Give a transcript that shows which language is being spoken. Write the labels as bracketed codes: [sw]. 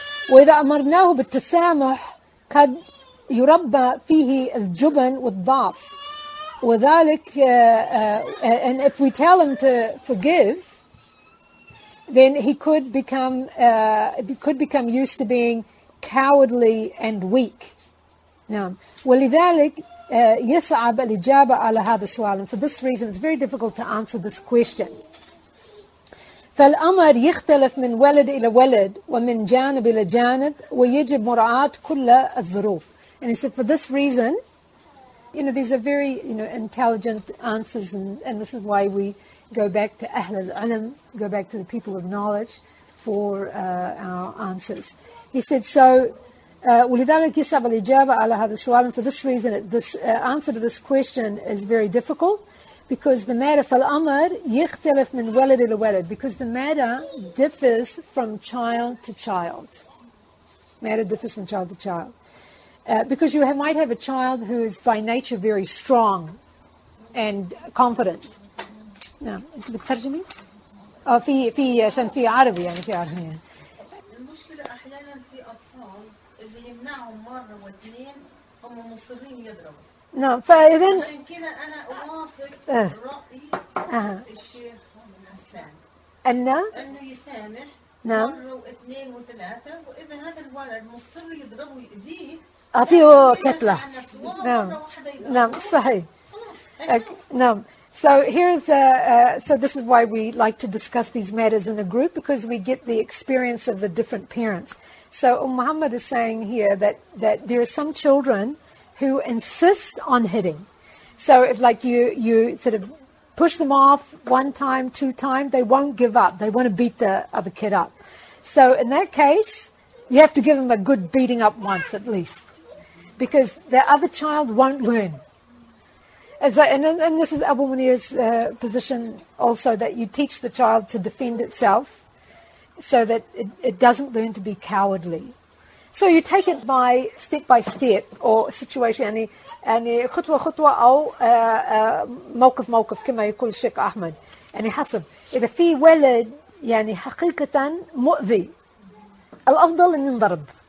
[ar] وإذا أمرناه بالتسامح قد يربى فيه الجبن والضعف وذلك [en] and if we tell him to forgive, then he could become used to being cowardly and weak. [ar] نعم. ولذلك يصعب الإجابة على هذا السؤال. [en] And for this reason, it's very difficult to answer this question. [ar] فالأمر يختلف من ولد إلى ولد ومن جانب إلى جانب ويجب مراعاة كل الظروف. [en] And he said, for this reason, you know, these are very, you know, intelligent answers, and this is why we go back to Ahl al-Ilm, go back to the people of knowledge for our answers. He said, so, [ar] ولذلك يصعب الإجابة على هذا السؤال. [en] And for this reason, this answer to this question is very difficult, because the matter, [ar] فالأمر يختلف من ولد إلى ولد, [en] because the matter differs from child to child. Matter differs from child to child. Because you might have a child who is by nature very strong and confident. [ar] نعم بترجمي او في في عشان في عربي يعني في عربي المشكله احيانا في اطفال اذا يمنعهم مره واثنين هم مصرين يضربوا نعم فاذا عشان كده انا اوافق راي الشيخ حسان انه يسامح نعم مره واثنين وثلاثه واذا هذا الولد مصر يضربه ويؤذيه اعطيه كتله نعم نعم صحيح نعم [en] So here's so this is why we like to discuss these matters in a group, because we get the experience of the different parents. So Muhammad is saying here that there are some children who insist on hitting. So if like you sort of push them off one time, two times, they won't give up. They want to beat the other kid up. So in that case, you have to give them a good beating up once at least, because the other child won't learn. And this is Abu Munir's position also, that you teach the child to defend itself so that it doesn't learn to be cowardly. So you take it by step by step or situation, [ar] يعني خطوة خطوة أو موقف موقف كما يقول الشيخ أحمد. يعني حسب إذا في ولد يعني حقيقة مؤذي الأفضل أن ينضرب.